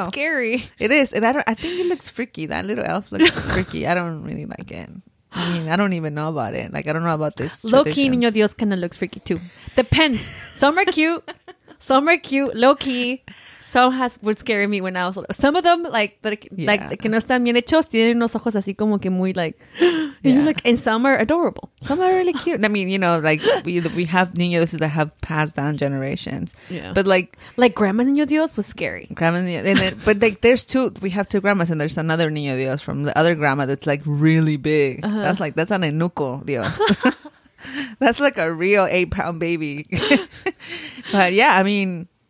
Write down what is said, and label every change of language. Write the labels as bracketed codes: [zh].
[en] That's scary. It is. And I think it looks freaky. That little elf looks freaky. I don't really like it. I mean, I don't even know about it. Like, I don't know about this. Low-key Niño Dios kind of looks freaky, too. Depends. Some are cute. Some are cute. Low-key. Some would scare me when I was little. Some of them, like [es] que no están bien hechos, tienen unos ojos así como que muy, [en] like, and some are adorable. Some are really cute. I mean, you know, like, we have Niño Dios that have passed down generations. Yeah. But, like... Like, Grandma Niño Dios was scary. Grandma Niño Dios. But, like, there's two... We have two grandmas, and there's another Niño Dios from the other grandma that's, like, really big. Uh-huh. That's, like, that's an enuco Dios. That's, like, a real 8-pound baby. But, yeah, I mean...